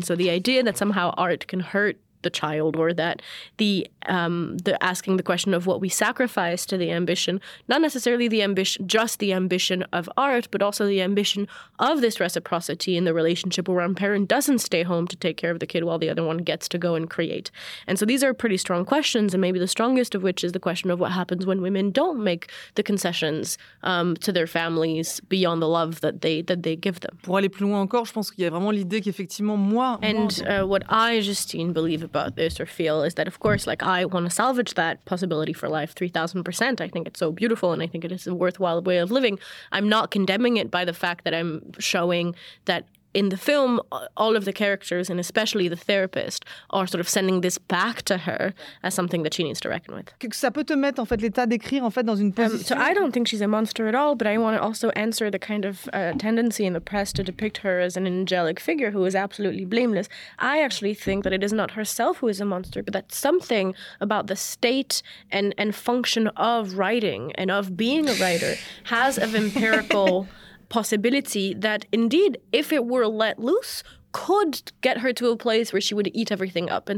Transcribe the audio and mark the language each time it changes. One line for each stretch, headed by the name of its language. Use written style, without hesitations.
English: And so the idea that somehow art can hurt the child, or that the asking the question of what we sacrifice to the ambition, not necessarily the ambition, just the ambition of art, but also the ambition of this reciprocity in the relationship where one parent doesn't stay home to take care of the kid while the other one gets to go and create. And so these are pretty strong questions, and maybe the strongest of which is the question of what happens when women don't make the concessions to their families beyond the love that they give them.
French: Pour aller plus loin encore, je pense qu'il y a vraiment l'idée qu'effectivement
English: what I, Justine, believe about this or feel is that, of course, like, I want to salvage that possibility for life 3,000%. I think it's so beautiful, and I think it is a worthwhile way of living. I'm not condemning it by the fact that I'm showing that in the film, all of the characters, and especially the therapist, are sort of sending this back to her as something that she needs to reckon with.
French: Ça peut te mettre, en fait, l'état d'écrire, en fait, dans une position.
English: So I don't think she's a monster at all, but I want to also answer the kind of tendency in the press to depict her as an angelic figure who is absolutely blameless. I actually think that it is not herself who is a monster, but that something about the state and function of writing and of being a writer has of empirical possibility that indeed, if it were let loose, could get her to a place where she would eat everything up.